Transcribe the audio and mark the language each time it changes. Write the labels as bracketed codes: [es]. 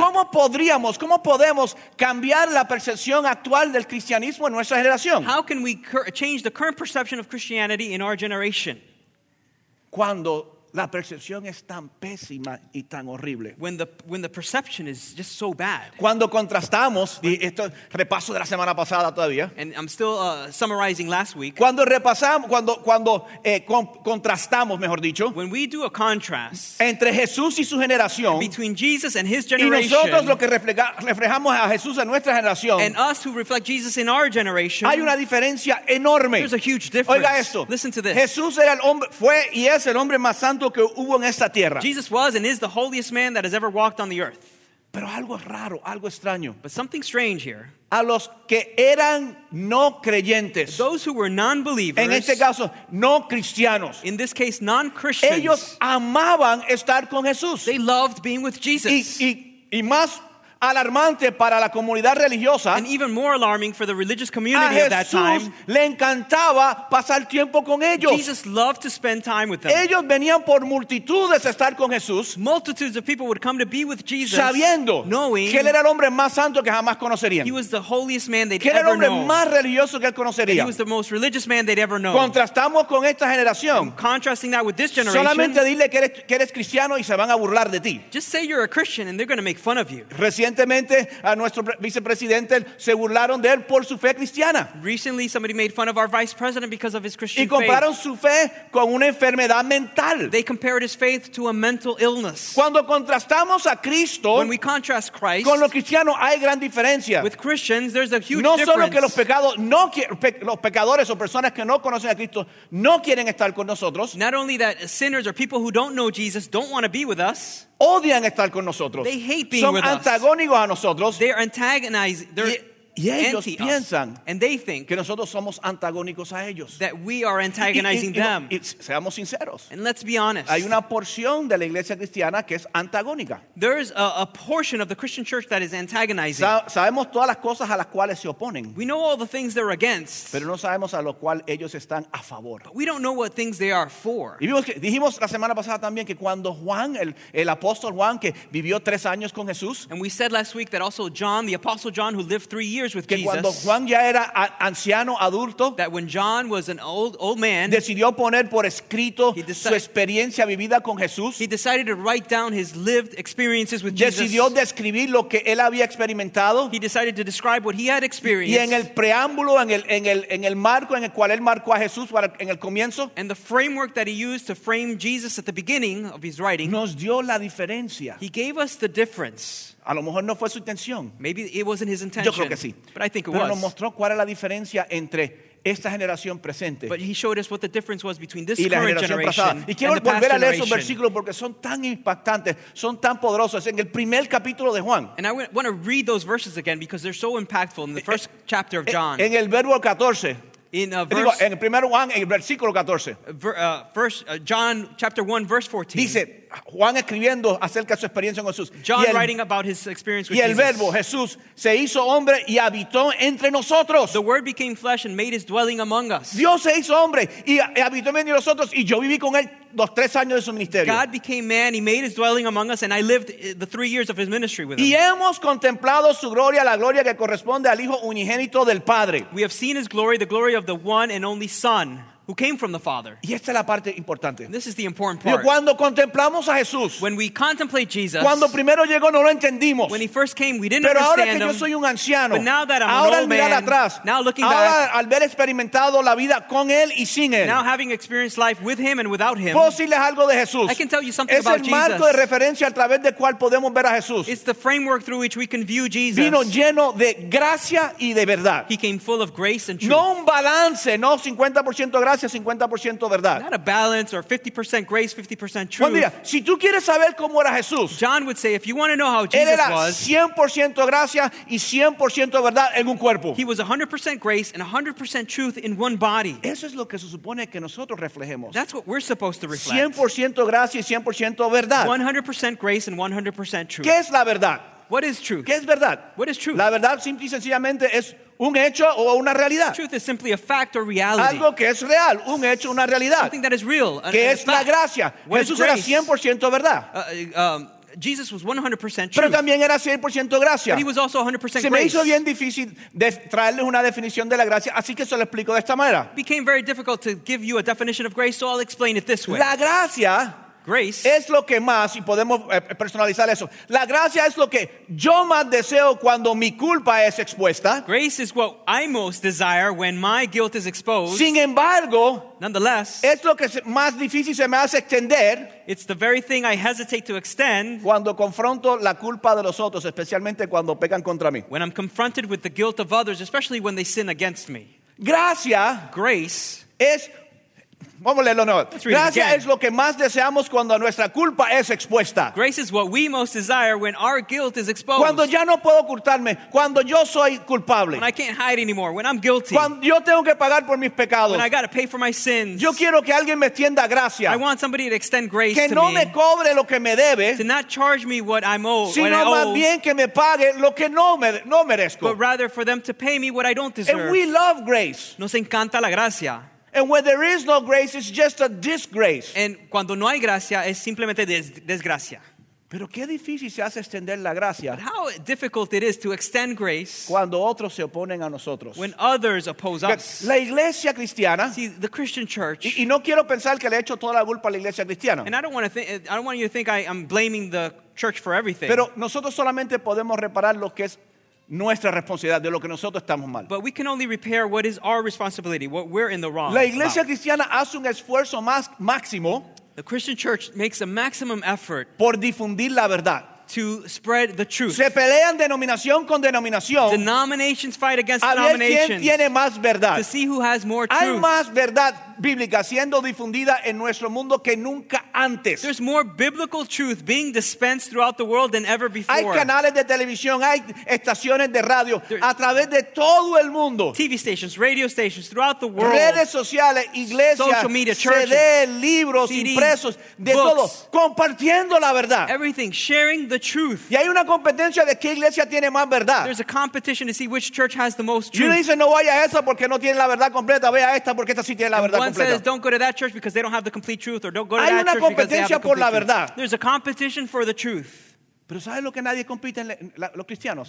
[es] ¿Cómo podríamos, cómo podemos cambiar la percepción actual del cristianismo en nuestra generación? [en] How can we change the current perception of Christianity in our generation? [es] Cuando la percepción es tan pésima y tan horrible. [en] When the perception is just so bad. [es] Cuando contrastamos, y esto repaso de la semana pasada todavía. [en] And I'm still summarizing last week. [es] Cuando repasamos, contrastamos, mejor dicho. [en] When we do a contrast. [es] Entre Jesús y su generación. [en] Between Jesus and his generation. [es] Y nosotros lo que reflejamos a Jesús en nuestra generación. [en] And us who reflect Jesus in our generation. [es] Hay una diferencia enorme. [en] There's a huge difference. [es] Oiga esto. [en] Listen to this. [es] Jesús era el hombre, fue y es el hombre más santo que hubo en esta tierra. [en] Jesus was and is the holiest man that has ever walked on the earth. [es] Pero algo raro, algo extraño. [en] But something strange here. [es] A los que eran no creyentes. [en] Those who were non-believers. [es] En este caso, no cristianos. [en] In this case, non-Christians. [es] Ellos amaban estar con Jesús. [en] They loved being with Jesus. [es] Y más alarmante para la comunidad religiosa. [en] And even more alarming for the religious community at that time. [es] Le encantaba pasar tiempo con ellos. [en] Jesus loved to spend time with them. [es] Ellos venían por multitudes a estar con Jesús. [en] Multitudes of people would come to be with Jesus. [es] Sabiendo, [en] knowing, [es] que él era el hombre más santo que jamás conocerían. [en] He was the holiest man they'd [es] que [en] ever [es] era el hombre [en] known. [es] Más religioso que él conocería. [en] He was the most religious man they'd ever known. [es] Contrastamos con esta generación. [en] And contrasting that with this generation. [es] Solamente dile que eres cristiano y se van a burlar de ti. [en] Just say you're a Christian and they're going to make fun of you. [es] Recientemente a nuestro vicepresidente se burlaron de él por su fe cristiana. [en] Recently somebody made fun of our vice president because of his Christian faith. [es] Y compararon su fe con una enfermedad mental. [en] They compared his faith to a mental illness. [es] Cuando contrastamos a Cristo, [en] when we contrast Christ, [es] con los cristianos hay gran diferencia. [en] With Christians there's a huge difference. [es] No solo que los pecadores o personas que no conocen a Cristo no quieren estar con nosotros. [en] Not only that sinners or people who don't know Jesus don't want to be with us. [es] Odian estar con nosotros. [en] They hate being [es] Son [en] with [es] antagónicos [en] us. [es] A nosotros. [en] They're antagonizing. They're [es] y ellos piensan [en] us. And they think [es] que nosotros somos antagónicos a ellos. [en] That we are antagonizing them. [es] Seamos sinceros. [en] And let's be honest. [es] Hay una porción de la iglesia cristiana que es antagónica. [en] There is a portion of the Christian church that is antagonizing. [es] Sabemos todas las cosas a las cuales se oponen. [en] We know all the things they're against. [es] Pero no sabemos a lo cual ellos están a favor. [en] But we don't know what things they are for. [es] Y dijimos la semana pasada también que cuando Juan, el apóstol Juan, que vivió 3 años con Jesús. [en] And we said last week that also John, the apostle John, who lived 3 years. Years with [es] que [en] Jesus, [es] cuando Juan ya era anciano adulto, [en] that when John was an old man, [es] decidió poner por escrito su experiencia vivida con Jesús. [en] He decided to write down his lived experiences with [es] decidió [en] Jesus. [es] Decidió describir lo que él había experimentado. [en] He decided to describe what he had experienced. [es] Y en el preámbulo, en el marco en el cual él marcó a Jesús para, en el comienzo, [en] and the framework that he used to frame Jesus at the beginning of his writing, [es] nos dio la diferencia. [en] He gave us the difference. [es] A lo mejor no fue su intención. [en] Maybe it wasn't his intention. [es] Yo creo que sí. [en] But I think it [es] Pero [en] was. [es] Nos mostró cuál era la diferencia entre esta generación presente. [en] But he showed us what the difference was between this [es] y la [en] current generation [es] pasada. Y quiero [en] and the [es] volver [en] past [es] a leer esos versículos porque son tan impactantes, son tan poderosos. En el primer capítulo de Juan. [en] And I want to read those verses again because they're so impactful in the first chapter of John. [es] En el verbo 14. [en] In [es] en el primer Juan, en el versículo 14. [en] John chapter 1 verse 14. [es] Dice Juan escribiendo acerca de su experiencia con Jesús. [en] John writing about his experience with Jesus. [es] Y el verbo Jesús se hizo hombre y habitó entre nosotros. [en] The word became flesh and made his dwelling among us. [es] Dios se hizo hombre y habitó entre nosotros y yo viví con él los 3 años de su ministerio. [en] God became man, he made his dwelling among us and I lived the 3 years of his ministry with him. [es] Y hemos contemplado su gloria, la gloria que corresponde al Hijo unigénito del Padre. [en] We have seen his glory, the glory of the one and only Son. Who came from the Father. [es] Y esta es la parte importante. [en] This is the important part. [es] Pero cuando contemplamos a Jesús, [en] when we contemplate Jesus. [es] Cuando primero llegó, no lo entendimos. [en] When he first came we didn't [es] Pero ahora [en] understand him. [es] Yo soy un anciano, [en] but now that I'm [es] ahora [en] an old [es] mirar [en] man. [es] Atrás, [en] now looking [es] ahora [en] back. [es] Al haber experimentado la vida con él y sin él, [en] now having experienced life with him and without him. [es] Puedo decirles algo de Jesús. [en] I can tell you something [es] es [en] about [es] el marco [en] Jesus. [es] De referencia a través del cual podemos ver a Jesús. [en] It's the framework through which we can view Jesus. [es] Vino lleno de gracia y de verdad. [en] He came full of grace and truth. [es] No un balance. No 50% gracias, 50% verdad. [en] Not a balance or 50% grace, 50% truth. [es] Buen día. Si tú quieres saber cómo era Jesús, [en] John would say, if you want to know how Jesus was, [es] 100% gracia y 100% verdad en un cuerpo. [en] He was 100% grace and 100% truth in one body. [es] Eso es lo que se supone que nosotros reflejemos. [en] That's what we're supposed to reflect. [es] 100% gracia y 100% verdad. [en] 100% grace and 100% truth. [es] ¿Qué es la verdad? [en] What is truth? [es] ¿Qué es verdad? [en] What is truth? [es] La verdad simple y sencillamente es un hecho o una realidad. [en] Truth is simply a fact or reality. [es] Algo que es real, un hecho, una realidad. [en] Something that is real. [es] Que es la gracia. [en] What [es] Jesús era 100% verdad. [en] Jesus was 100% truth. [es] Pero también era 100% gracia. [en] But he was also 100% grace. [es] Se me hizo bien difícil de traerles una definición de la gracia, así que se lo explico de esta manera. [en] It became very difficult to give you a definition of grace, so I'll explain it this way. [es] La gracia, [en] grace, [es] es lo que más, y podemos personalizar eso. La gracia es lo que yo más deseo cuando mi culpa es expuesta. [en] Grace is what I most desire when my guilt is exposed. [es] Sin embargo, [en] nonetheless, [es] es lo que más difícil se me hace extender. [en] It's the very thing I hesitate to extend. [es] Cuando confronto la culpa de los otros, especialmente cuando pecan contra mí. [en] When I'm confronted with the guilt of others, especially when they sin against me. [es] Gracia, [en] grace, [es] es vamos a leerlo nuevo. Gracia es lo que más deseamos cuando nuestra culpa es expuesta. [en] Grace is what we most desire when our guilt is exposed. [es] Cuando ya no puedo ocultarme, cuando yo soy culpable. [en] When I can't hide anymore, when I'm guilty. [es] Cuando yo tengo que pagar por mis pecados. [en] When I got to pay for my sins. [es] Yo quiero que alguien me extienda gracia. [en] I want somebody to extend grace [es] que [en] to [es] no [en] me. [es] Que no me cobre lo que me debe. [en] To not charge me what I'm owed. [es] Sino [en] what I [es] más [en] owe. [es] Bien que me pague lo que no merezco. [en] But rather for them to pay me what I don't deserve. And we love grace. [es] Nos encanta la gracia. [en] And when there is no grace, it's just a disgrace. [es] And cuando no hay gracia, es simplemente desgracia. Pero qué difícil se hace extender la gracia. [en] But how difficult it is to extend grace. [es] Cuando otros se oponen a nosotros. [en] When others oppose us. [es] La iglesia cristiana. [en] See, the Christian church. [es] Y no quiero pensar que le he hecho toda la culpa a la iglesia cristiana. [en] And I don't want you to think I'm blaming the church for everything. [es] Pero nosotros solamente podemos reparar lo que es nuestra responsabilidad de lo que nosotros estamos mal. [en] But we can only repair what is our responsibility, what we're in the wrong. [es] La iglesia cristiana hace un esfuerzo más máximo. [en] The Christian church makes a maximum effort [es] por difundir la verdad. [en] To spread the truth. [es] Se pelean denominación con denominación. [en] Denominations fight against [es] a ver [en] denominations. [es] ¿Quién tiene más verdad? [en] To see who has more truth. [es] Hay más verdad bíblica siendo difundida en nuestro mundo que nunca antes. [en] There's more biblical truth being dispensed throughout the world than ever before. [es] Hay canales de televisión, hay estaciones de radio a través de todo el mundo. [en] TV stations, radio stations throughout the world. [es] Redes sociales, iglesias, [en] social media, churches, [es] CDs, libros, [en] CDs, [es] impresos, de [en] books, [es] todo, compartiendo la verdad. [en] Everything, sharing the truth. [es] Y hay una competencia de qué iglesia tiene más verdad. [en] There's a competition to see which church has the most truth. [es] Y uno dice, no vaya a esa porque no tiene la verdad completa, vaya a esta porque esta sí tiene la verdad. [en] One says, don't go to that church because they don't have the complete truth, or don't go to [es] hay [en] that church because they have [es] por la verdad. [en] There's a competition for the truth. [es] Pero ¿sabes lo que nadie compite en los cristianos?